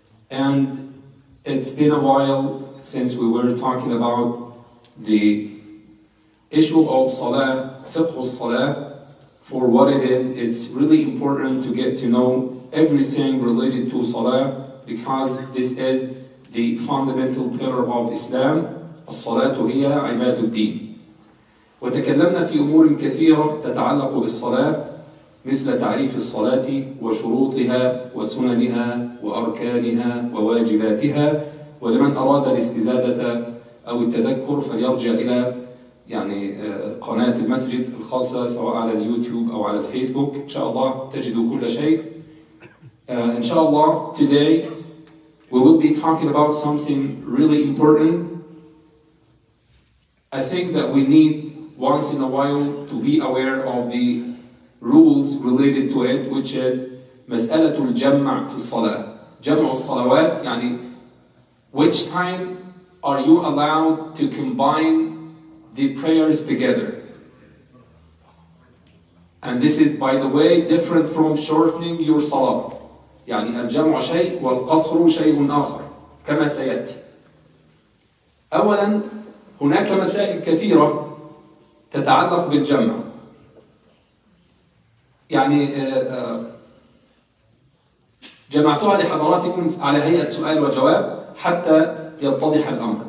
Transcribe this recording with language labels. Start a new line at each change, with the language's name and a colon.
English: And it's been a while since we were talking about the issue of salah, fiqh al-salah, for what it is. It's really important to get to know everything related to salah, because this is the fundamental pillar of Islam.
Arabic: الصلاة هي عباد الدين. وتكلمنا في أمور كثيرة تتعلق بالصلاة، مثل تعريف الصلاة وشروطها وسننها وأركانها وواجباتها. ولمن أراد الاستزادة أو التذكر فليرجع إلى يعني قناة المسجد الخاصة، سواء على اليوتيوب أو على الفيسبوك، إن شاء الله تجدوا كل شيء. إن شاء الله
English: today we will be talking about something really important. I think that we need once in a while to be aware of the rules related to it, which is
Arabic: مسألة الجمع في الصلاة. جمع الصلوات يعني
English: which time are you allowed to combine the prayers together. And this is, by the way, different from shortening your salah.
Arabic: يعني الجمع شيء والقصر شيء آخر كما سيأتي. أولا، هناك مسائل كثيرة تتعلق بالجمع. يعني جمعتها لحضراتكم على هيئة سؤال وجواب حتى يتضح الأمر.